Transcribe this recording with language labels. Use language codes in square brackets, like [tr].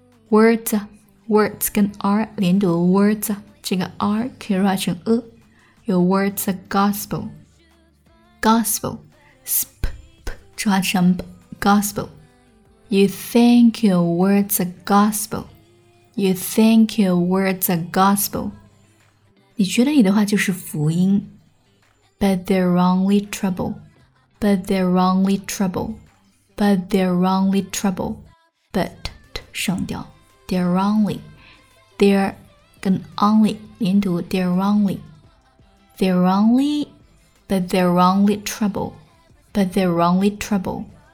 [en] Words, words [zh] 跟 r 连读 [en] words, [zh] 这个 r 可以弱化成 e. [en] Your words are gospel. Gospel, sp, p, [zh] 弱化成 [en] b, gospel. You think your words are gospel. You think your words are gospel. [zh] 你觉得你的话就是福音。 [en] But they're only trouble. But they're only trouble. But they're only trouble. But, [zh] 省掉。 [en] They're only. They're, [zh] 跟 [en] only, [zh] 连读 [en] they're only. They're only, but they're only trouble. But they're only trouble.